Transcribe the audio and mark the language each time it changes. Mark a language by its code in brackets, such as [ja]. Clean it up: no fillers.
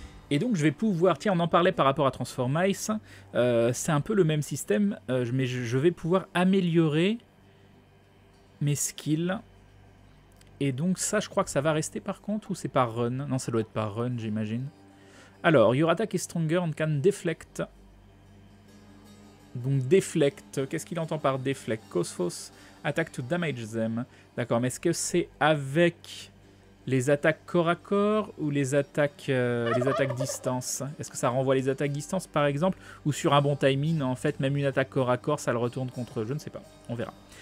[fr] Et donc je vais pouvoir, tiens on en parlait par rapport à Transformice, c'est un peu le même système, mais je vais pouvoir améliorer mes skills. Et donc ça je crois que ça va rester par contre, ou c'est par run? Non ça doit être par run j'imagine. [en] Alors, your attack is stronger and can deflect. [fr] Donc deflect, qu'est-ce qu'il entend par deflect? [en] Cosmos, attack to damage them. [fr] D'accord, mais est-ce que c'est avec... Les attaques corps à corps ou les attaques distance? Est-ce que ça renvoie les attaques distance par exemple? Ou sur un bon timing, en fait, même une attaque corps à corps, ça le retourne contre... Je ne sais pas, on verra.